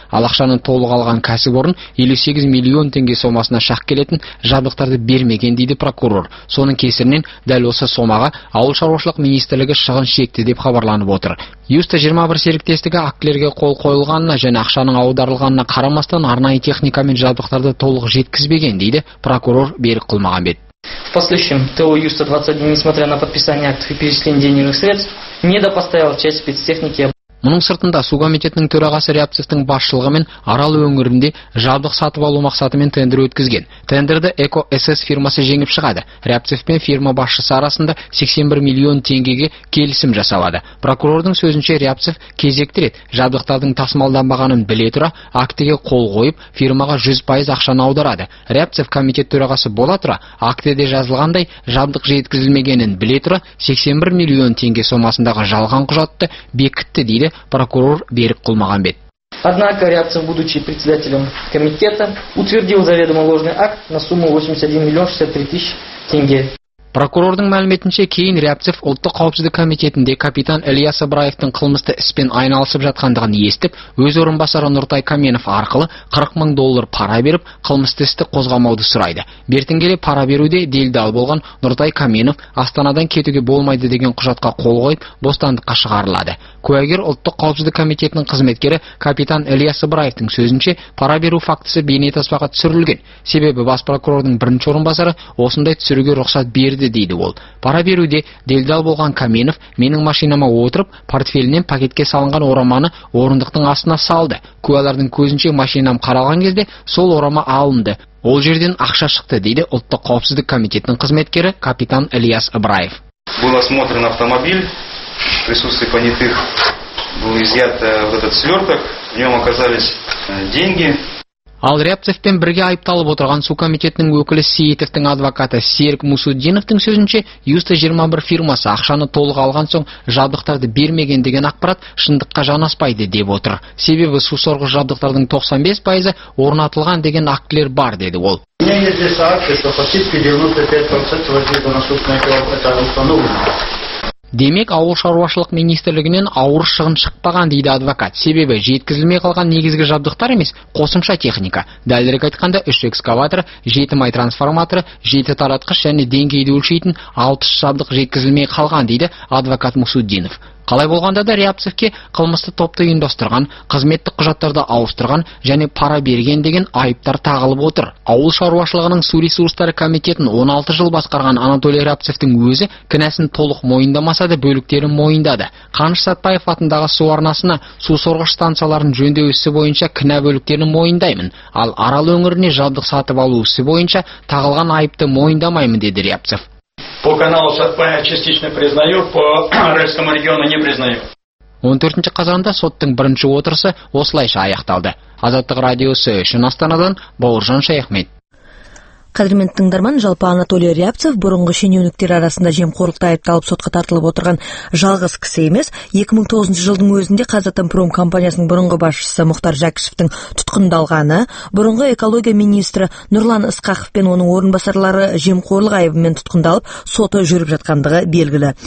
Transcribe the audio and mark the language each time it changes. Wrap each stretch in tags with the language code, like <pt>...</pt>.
<kk>Ал ақшаны толық алған кәсіпорын 58 миллион теңге сомасына шақ келетін жабдықтарды бермеген дейді прокурор. Соның кесірінен дәл осы сомаға ауыл шаруашылық министрлігі шығын шекті деп хабарланып отыр. Юста 21 серіктестігі актілерге қол қойылғанына және ақшаның аударылғанына қарамастан арнайы техника мен жабдықтарды толық жеткізбеген дейді прокурор Берік Құлмағанбет.</kk> <ru>В последующем ТО Юста 21, несмотря на подписание актов и перечисление денежных средств, не допоставил часть спецтехники.</ru> <kk>Мұның сыртында су комитетінің төрағасы Рябцевтің басшылығымен Арал өңірінде жабдық сатып алу мақсатымен тендер өткізген. Тендерді Эко СС фирмасы жеңіп шығады. Рябцев пен фирма басшысы арасында 81 миллион теңгеге келісім жасалады. Прокурордың сөзінше Рябцев кезекті рет жабдықтардың тасымалданбағанын біле тұра актіге қол қойып фирмаға 100% ақшаны аударады. Рябцев комитет төрағасы бола тұра актіде жазылғандай жабдық жеткізілмегенін біле тұра 81 миллион теңге сомасындағы жалған құжатты бекітті дейді прокурор Берік Құлмағанбет.</kk> <ru>Однако Рябцев, будучи председателем комитета, утвердил заведомо ложный акт на сумму 81 миллион 63 тысяч тенге.</ru> <kk>Прокурордың мәліметінше кейін Рябцев ұлттық қауіпсіздік комитетінде капитан Ілияс Ыбраевтың қылмысты іспен айналысып жатқандығын естіп, өз орынбасары Нұртай Каменов арқылы 40 мың доллар пара беріп, қылмысты істі қозғамауды сұрайды. Бертін келе пара беруде делдал болған Нұртай Каменов Астанадан кетуге болмайды деген құжатқа қол қойып, бостандыққа шығарылады. Куәгер ұлттық қауіпсіздік комитетінің қызметкері капитан Ілияс Ыбраевтың сөзінше, пара беру фактісі бейнетаспаға түсірілген. Себебі бас прокурордың бірінші орынбасары осындай түсіруге рұқсат берді. Дейді ол. Пара беруде делдал болған Каменов менің машинама отырып, портфелінен пакетке салынған ораманы орындықтың астына салды. Куәлердің көзінше машинам қаралған кезде сол орама алынды. Ол жерден ақша шықты, дейді ұлттық қауіпсіздік комитетінің қызметкері капитан Ілияс Ыбраев.</kk> <ru>Был осмотрен автомобиль, присутствие понятых был изъят в этот сверток, в нем оказались деньги.</ru> <kk>Ал Рябцевпен бірге айыпталып отырған су комитетінің өкілі Сейітовтың адвокаты Серік Мусуддиновтың сөзінше, Юста 21 фирмасы ақшаны толық алған соң жабдықтарды бермеген деген ақпарат шындыққа жанаспайды деп отыр. Себебі су сорғыш жабдықтардың 95% орнатылған деген актілер бар, деді ол.</kk> <ru>У меня есть здесь акты, что фактически 95% воздействия на собственное установлено.</ru> <kk>Демек, ауыл шаруашылық министрлігінен ауыр шығын шықпаған дейді адвокат. Себебі жеткізілмей қалған негізгі жабдықтар емес, қосымша техника. Дәлірек айтқанда 3 экскаватор, 7 май трансформаторы, 7 таратқыш және деңгейді өлшейтін 6 жабдық жеткізілмей қалған дейді адвокат Мусуддинов. Қалай болғанда да Рябцевке қылмысты топты ұйымдастырған, қызметтік құжаттарды ауыстырған және пара берген деген айыптар тағылып отыр. Ауыл шаруашылығының су ресурстары комитетін 16 жыл басқарған Анатолий Рябцевтің өзі кінәсін толық мойындамаса да бөліктерін мойындады. Қаныш Сатпаев атындағы су арнасына су сорғыш станцияларын жөндеу ісі бойынша кінә бөліктерін мойындаймын. Ал Арал өңіріне жабдық сатып алу ісі бойынша тағылған айыпты мойындамаймын, деді Рябцев.</kk> <ru>По каналу Сатпая частично признаю, по Аральскому региону не признаю.</ru> <kk>14 қазанда соттың бірінші отырысы осылайша аяқталды. Азаттық радиосы үшін Астанадан Бауыржан Шайхмет. Қадірмен тыңдарман, жалпы Анатолий Рябцев бұрынғы шенеуніктер арасында жемқорлықта айыпталып сотқа тартылып отырған жалғыз кісі емес. 2009 жылдың өзінде Қазатомпром компаниясының бұрынғы басшысы Мұхтар Жәкішевтің тұтқындалғаны, бұрынғы экология министрі Нұрлан Ысқақов пен оның орынбасарлары жемқорлық айыбымен тұтқындалып, соты жүріп жатқандығы белгілі.</kk>